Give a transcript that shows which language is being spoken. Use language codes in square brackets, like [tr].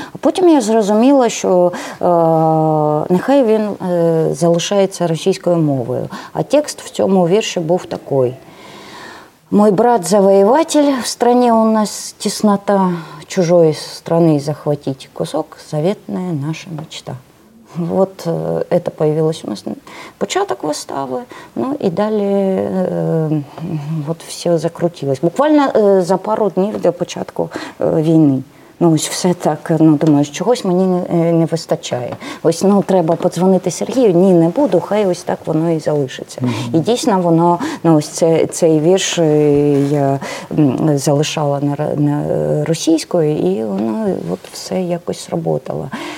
[uk] А потім я зрозуміла, що нехай він залишається російською мовою. А текст в цьому вірші був такий. [ru] «Мой брат-завоєватель, в стране у нас теснота, чужої страни захватить кусок, заветная наша мечта». Вот это появилось у нас [uk] початок выставы, [ru] ну и далее вот все закрутилось. [uk] Буквально за пару днів до початку війни. Ну ось все так, ну думаю, чогось мені не вистачає. Ось, ну треба подзвонити Сергію, ні, не буду, хай ось так воно і залишиться. Mm-hmm. І дійсно воно, ну ось цей вірш я залишала на російською, і воно от все якось сработало.